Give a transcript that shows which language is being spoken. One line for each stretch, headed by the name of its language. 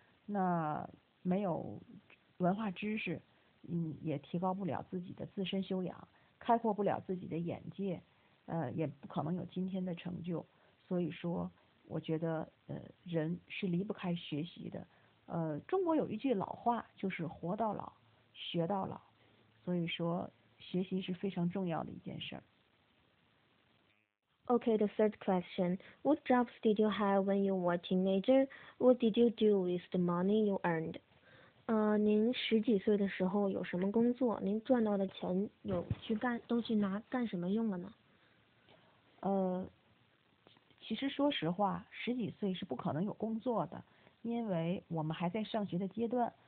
Chinese: 那没有文化知识，也提高不了自己的自身修养，开阔不了自己的眼界，也不可能有今天的成就。所以说，我觉得人是离不开学习的。中国有一句老话，就是活到老，学到老。所以说，学习是非常重要的一件事。
English: Okay, the third question. What jobs did you have when you were a teenager? What did you do with the money you earned?
Chinese: 您十几岁的时候有什么工作？您赚到的钱有去干，都去拿干什么用了呢？其实说实话，十几岁是不可能有工作的，因为我们还在上学的阶段。